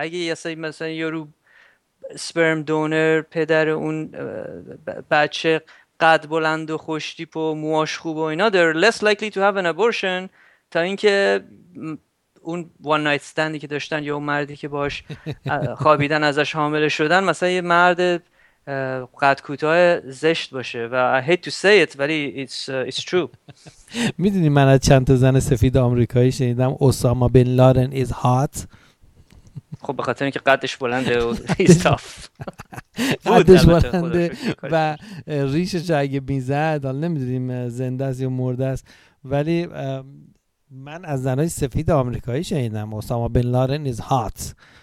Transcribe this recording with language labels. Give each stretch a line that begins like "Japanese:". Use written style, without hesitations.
Persian: اگه مثلا یارو سپرم دونر پدر اون بچه قد بلند و خوشتیپ و موهاش خوب و اینا،
English: they're less likely to have an abortion
Persian: تا اینکه اون وان نایت استندی که داشتن یا اون مردی که باش خوابیدن ازش حامله شدن مثلا یه مرد قد کوتاه زشت باشه.
English: و I hate to say it
Persian: ولی
English: it's true.
Persian: میدونی من از چند تا زن سفید آمریکایی شنیدم اوساما بن لادن
English: is hot.
Persian: خب به خاطر اینکه قدش بلنده
English: he's tough.
Persian: قدش بلنده و ریشش اگه میزد، حالا نمیدونیم زنده است یا مرده است، ولی من از زنای سفید آمریکایی شنیدم اوساما بن لادن از هات.